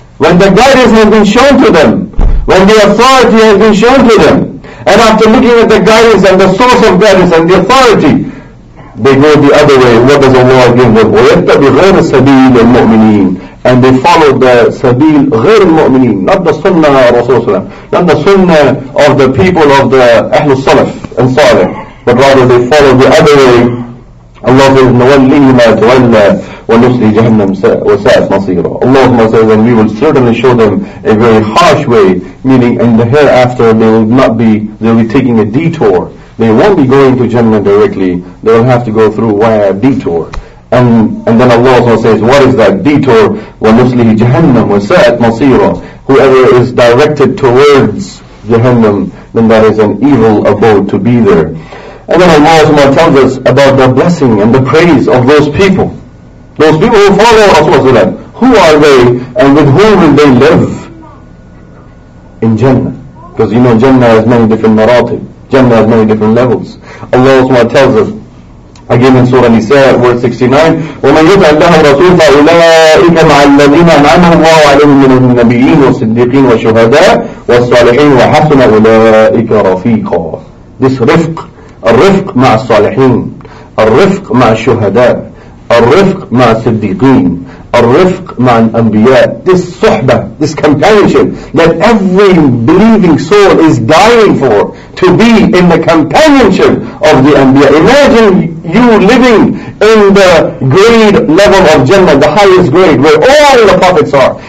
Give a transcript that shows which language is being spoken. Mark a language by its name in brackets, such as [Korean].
[English] When the guidance has been shown to them, when the authority has been shown to them, and after looking at the guidance and the source of guidance and the authority, they go the other way. What does Allah give them? [Arabic] وَيَتَّبِ غَيْرَ سَبِيلِ الْمُؤْمِنِينَ. [English] And they follow the sabil [Arabic] غير المؤمنين, [English] not the sunnah of Rasulullah, not the sunnah of the people of the Ahlul Salaf and Salih. but rather they follow the other way. Allah says, [Arabic] نَوَلِّهِ مَا تُوَلَّى وَنُسْلِي جَهَنَّمْ وَسَاءَتْ مَصِيرًا. [English] Allah says, and we will certainly show them a very harsh way, meaning in the hereafter they will not be, they will be taking a detour. They won't be going to Jannah directly, they will have to go through via detour. And then Allah also says, what is that detour? [Arabic] وَنُسْلِهِ جَهَنَّمْ وَسَاءَتْ مَصِيرًا. [English] Whoever is directed towards Jahannam, then that is an evil abode to be there. And then Allah tells us about the blessing and the praise of those people. Those people who follow Rasulullah, who are they and with whom will they live in Jannah? Because you know Jannah has many different maratib, Jannah has many different levels. Allah tells us, again in Surah Nisa, verse 69, [Arabic] وَمَنْ يُطِعِ اللَّهَ رَسُولَهُ فَأُولَٰئِكَ مَعَ الَّذِينَ أَنْعَمَ اللَّهُ عَلَيْهِمْ مِنَ النَّبِيِّينَ وَالصِّدِّيقِينَ وَالشُّهَدَاءِ وَالصَّالِحِينَ وَحَسُنَ أُولَٰئِكَ رَفِيقًا. [English] This rifq, [Arabic] الرفق مع الصالحين, الرفق مع الشهداء, الرفق مع الصديقين, الرفق مع الأنبياء. [English] This صحبه, this companionship that every believing soul is dying for, to be in the companionship of the Anbiya. Imagine you living in the grade level of Jannah, the highest grade where all the prophets are.